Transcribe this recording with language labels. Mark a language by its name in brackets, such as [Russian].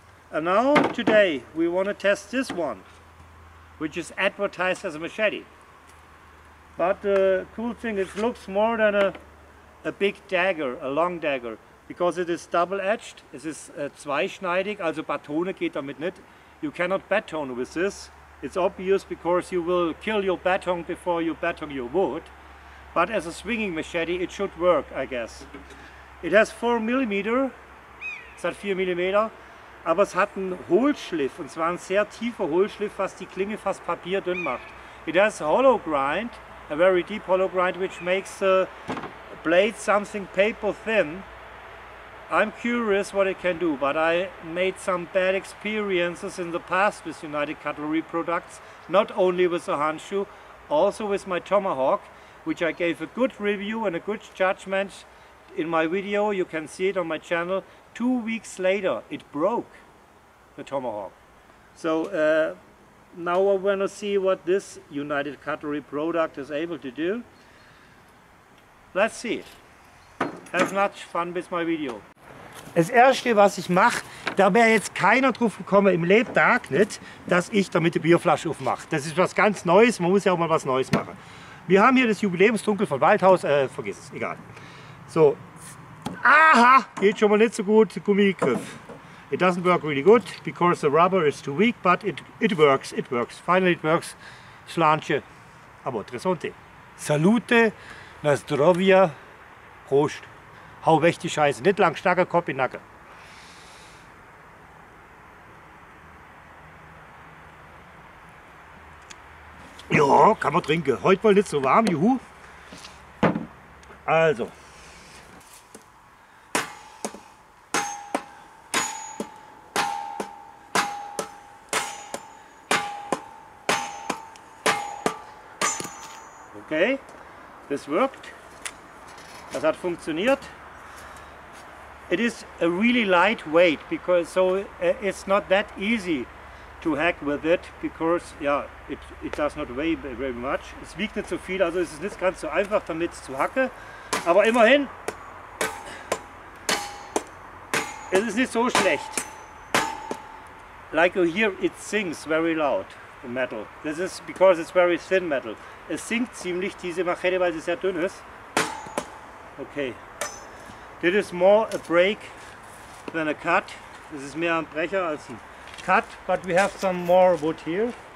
[English] And now, today, we want to test this one, which is advertised as a machete. But the cool thing, it looks more than a big dagger, a long dagger, because it is double-edged. [German] It is zweischneidig, also Batone geht damit nicht. [English] You cannot batone with this. It's obvious because you will kill your batone before you batone your wood. But as a swinging machete, it should work, I guess. It has 4 mm. Es hat 4 mm. [German] Aber es hat einen Hohlschliff, und zwar ein sehr tiefer Hohlschliff, was die Klinge fast papierdünn macht. [English] It has hollow grind, a very deep hollow grind, which makes the blade something paper thin. I'm curious what it can do, but I made some bad experiences in the past with United Cutlery products, not only with the Hanshu, also with my Tomahawk, which I gave a good review and a good judgment in my video. You can see it on my channel. 2 weeks later, it broke, the Tomahawk. So now I want to see what this United Cutlery product is able to do. Let's see it. Have much fun with my video. [German] Das erste, was ich mache, da wäre jetzt keiner drauf gekommen im Lebtag, nicht, dass ich damit die Bierflasche aufmache. Das ist was ganz Neues, man muss ja auch mal was Neues machen. Wir haben hier das Jubiläumsdunkel von Waldhaus, vergiss es, egal. So, aha, geht schon mal nicht so gut, Gummigriff. [English] It doesn't work really good, because the rubber is too weak, but it works, finally it works. Slanche, aber tresonte. Salute, na zdrovia, Prost. [German] Hau weg die Scheiße, nicht lang starker Kopf in Nacken. Ja, kann man trinken. Heute war nicht so warm, juhu. Also. [English] Okay, this worked. Das hat funktioniert. It is a really lightweight, because so it's not that easy to hack with it, because yeah, it does not weigh very much. [German] Es wiegt nicht so viel, also es ist nicht ganz so einfach damit zu hacken. Aber immerhin, es ist nicht so schlecht. [English] Like you hear, it sings very loud, the metal. This is because it's very thin metal. [German] Es singt ziemlich, diese Machete, weil sie sehr dünn ist. [English] Okay. This is more a break than a cut. This is mehr ein Brecher als ein cut, but we have some more wood here.